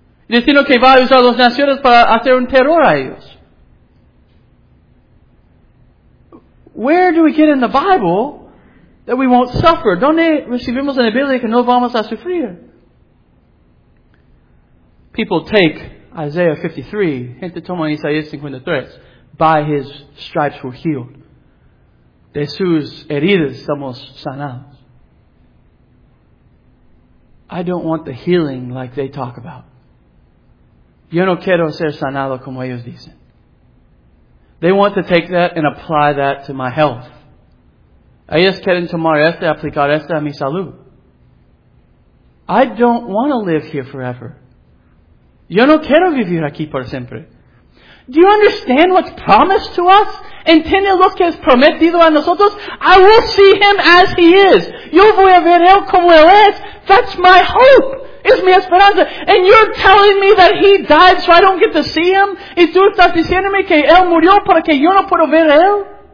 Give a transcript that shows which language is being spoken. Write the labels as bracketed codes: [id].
[es] Diciendo que va a usar las naciones para hacer un terror a ellos. [en] Where do we get in the Bible that we won't suffer? [es] ¿Dónde recibimos en la Biblia que no vamos a sufrir? [en] People take Isaiah 53, [es] gente toma Isaías 53, [en] by His stripes were healed. [es] De sus heridas somos sanados. [en] I don't want the healing like they talk about. [es] Yo no quiero ser sanado como ellos dicen. [en] They want to take that and apply that to my health. [es] Ellos quieren tomar este, aplicar este a mi salud. [en] I don't want to live here forever. [es] Yo no quiero vivir aquí por siempre. [en] Do you understand what's promised to us? [es] ¿Entiende lo que es prometido a nosotros? [en] I will see Him as He is. [es] Yo voy a ver Él como Él es. [en] That's my hope. [es] Es mi esperanza. [en] And you're telling me that He died so I don't get to see Him? [es] ¿Y tú estás diciéndome que Él murió para que yo no pueda ver Él?